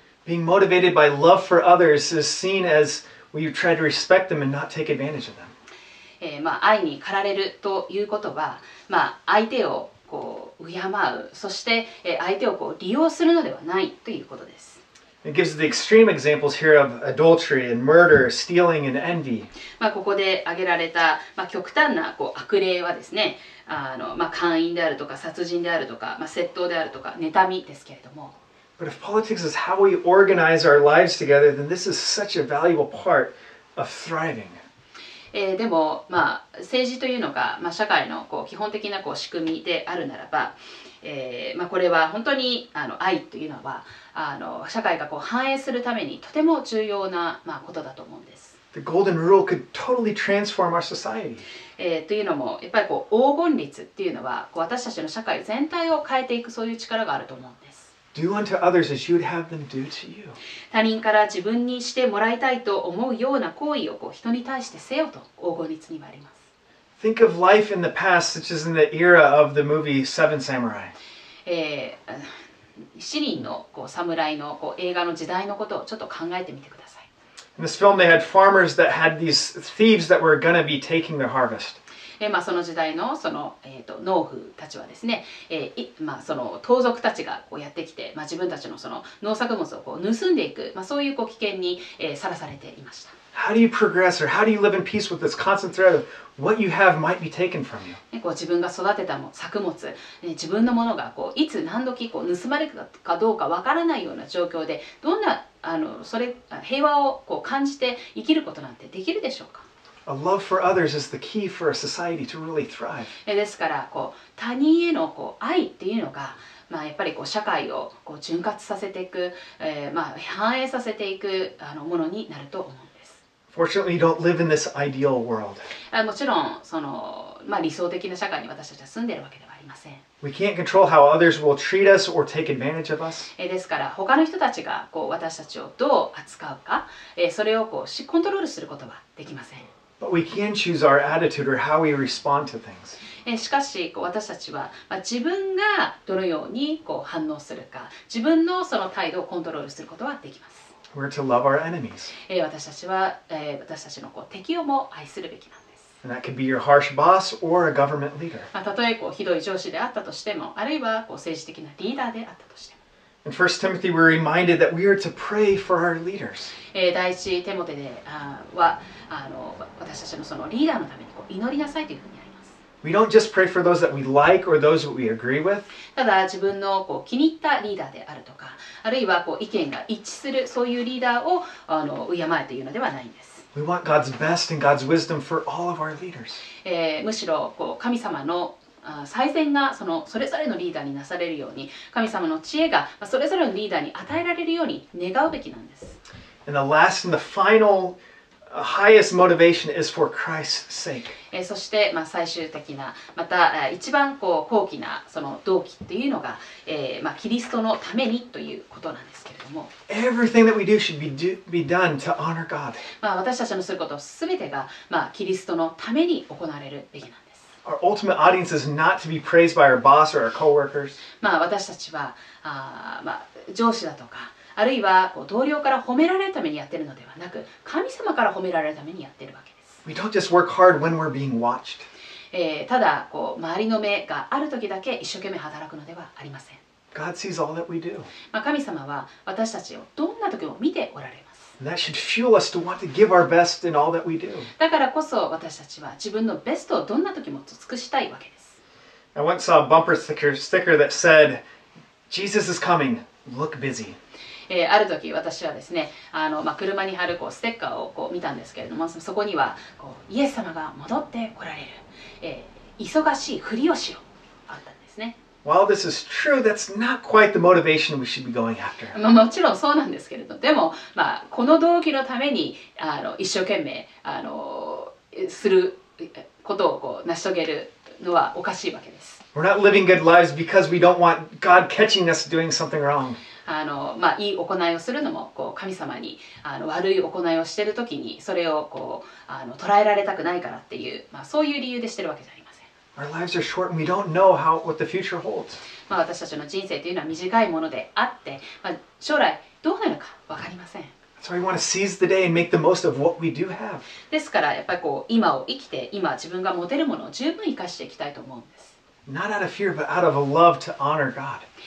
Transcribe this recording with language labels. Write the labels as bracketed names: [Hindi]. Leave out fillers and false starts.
[English] Being motivated by love for others is seen as when you try to respect them and not take advantage of them. [Japanese] まあ、愛に駆られるということは、まあ、相手をこう敬う、そして、相手をこう利用するのではないということです。 [English] It gives the extreme examples here of adultery and murder, stealing and envy. [Japanese] まあ、ここで挙げられた、まあ、極端なこう悪霊はですね、あの、まあ、姦淫であるとか殺人であるとか、まあ、窃盗であるとか妬みですけれども、 [English] But if politics is how we organize our lives together, then this is such a valuable part of thriving. [Japanese] でも、まあ、政治というのが、まあ、社会のこう基本的なこう仕組みであるならば、まあ、これは本当にあの愛というのは、あの、社会がこう繁栄するためにとても重要な、まあ、ことだと思うんです。 [English] The golden rule could totally transform our society. [Japanese] というのも、やっぱりこう黄金律っていうのは、こう私たちの社会全体を変えていくそういう力があると思うんです。 [English] Do unto others as you'd have them do to you. [Japanese] 他人から自分にしてもらいたいと思うような行為をこう人に対してせよと黄金律にはあります。 [English] Think of life in the past, such as in the era of the movie Seven Samurai. [Japanese] 七人のこう侍のこう映画の時代のことをちょっと考えてみてください。 [English] In this film, they had farmers that had these thieves that were going to be taking their harvest. [Japanese] まあ、その時代 の, その、農夫たちはですね、まあ、その盗賊たちがこうやってきて、まあ、自分たち の, その農作物をこう盗んでいく、まあ、そうい う, こう危険にさら、されていました。 [English] How do you progress or how do you live in peace with this constant threat of what you have might be taken from you?、 [Japanese] ね、こう自分が育てたも作物、ね、自分のものがこういつ何時こう盗まれるかどうかわからないような状況で、どんなあのそれ平和をこう感じて生きることなんてできるでしょうか。 [English] A love for others is the key for a society to really thrive. [Japanese] ですからこう他人へのこう愛っていうのが、まあ、やっぱりこう社会をこう潤滑させていく、まあ、繁栄させていくあのものになると思うんです。 [English] Fortunately, you don't live in this ideal world. [Japanese] もちろんその、まあ、理想的な社会に私たちは住んでいるわけではありません。 [English] We can't control how others will treat us or take advantage of us. [Japanese] ですから他の人たちがこう私たちをどう扱うか、それをこうコントロールすることはできません。 [English] But we can choose our attitude or how we respond to things. [Japanese] しかし、私たちは、まあ、自分がどのようにこう反応するか、自分のその態度をコントロールすることはできます。 [English] We're to love our enemies. [Japanese] 私たちは、私たちのこう敵をも愛するべきなんです。 [English] And that could be your harsh boss or a government leader. [Japanese] まあ、たとえこうひどい上司であったとしても、あるいはこう政治的なリーダーであったとしても。 [English] In 1 Timothy, we're reminded that we are to pray for our leaders. [Japanese] 第一テモテでは、あの、私たちのそのリーダーのためにこう祈りなさいというふうにあります。 [English] We don't just pray for those that we like or those that we agree with. [Japanese] ただ自分のこう気に入ったリーダーであるとか、あるいはこう意見が一致するそういうリーダーをあの敬えというのではないんです。 [English] We want God's best and God's wisdom for all of our leaders. [Japanese] むしろこう神様の最善がそのそれぞれのリーダーになされるように、神様の知恵がそれぞれのリーダーに与えられるように願うべきなんです。 [English] And the last and the final highest motivation is for Christ's sake. [Japanese] そして、まあ、最終的な、また一番こう高貴なその動機っていうのが、まあ、キリストのためにということなんですけれども。 [English] Everything that we do should be done to honor God. [Japanese] まあ、私たちのすることすべてが、まあ、キリストのために行われるべきなんです。 [English] Our ultimate audience is not to be praised by our boss or our coworkers. [Japanese] まあ私たちは、まあ、上司だとか、あるいはこう同僚から褒められるためにやってるのではなく、神様から褒められるためにやってるわけです。 [English] We don't just work hard when we're being watched. [Japanese] ただこう周りの目がある時だけ一生懸命働くのではありません。 [English] God sees all that we do. [Japanese] まあ神様は私たちをどんな時も見ておられます。 [English] That should fuel us to want to give our best in all that we do. [Japanese] だからこそ私たちは自分のベストをどんな時も尽くしたいわけです。 [English] I once saw a bumper sticker that said, "Jesus is coming. Look busy." [Japanese] ある時私はですね、まあ、車に貼るこうステッカーをこう見たんですけれども、そこにはこうイエス様が戻って来られる、忙しいふりをしようあったんですね。 [English] While this is true, that's not quite the motivation we should be going after. [Japanese] まあもちろんそうなんですけれど、でもまあこの動機のために一生懸命することをこう成し遂げるのはおかしいわけです。 [English] We're not living good lives because we don't want God catching us doing something wrong. [Japanese] まあいい行いをするのもこう神様に悪い行いをしているときにそれをこう捉えられたくないからっていう、まあそういう理由でしてるわけじゃない。 [English] Our lives are short and we don't know what the future holds. [Japanese] まあ私たちの人生というのは短いものであって、まあ、将来どうなるか分かりません。 [English] So we want to seize the day and make the most of what we do have. [Japanese] ですからやっぱりこう今を生きて、今自分が持てるものを十分生かしていきたいと思うんです。 [English] Not out of fear, but out of a love to honor God.